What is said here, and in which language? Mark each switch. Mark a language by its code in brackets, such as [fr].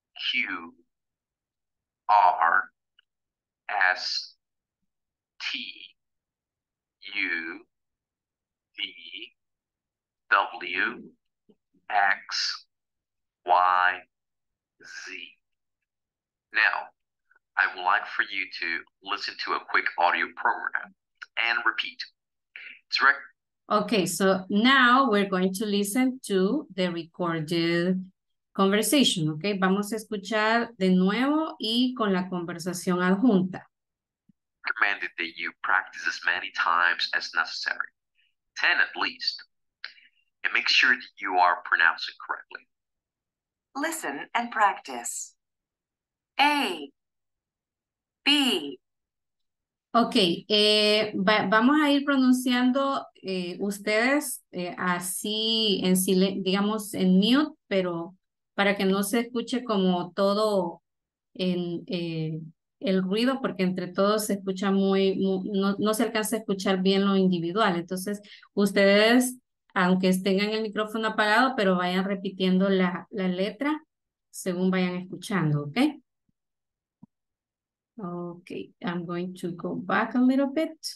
[en] Q, R, S, T, U, V, W, X, Y, Z. Now, I would like for you to listen to a quick audio program and repeat. Okay, so now we're going to listen to the recorded conversation, okay? [es] Vamos a escuchar de nuevo y con la conversación adjunta. [en] Recommended that you practice as many times as necessary, 10 at least, and make sure that you are pronouncing correctly. Listen and practice. A, B. [es] Ok, vamos a ir pronunciando ustedes así en silencio, digamos en mute, pero para que no se escuche como todo en el ruido, porque entre todos se escucha no se alcanza a escuchar bien lo individual. Entonces, ustedes, aunque tengan el micrófono apagado, pero vayan repitiendo la letra según vayan escuchando, ¿ok? [en] Okay, I'm going to go back a little bit.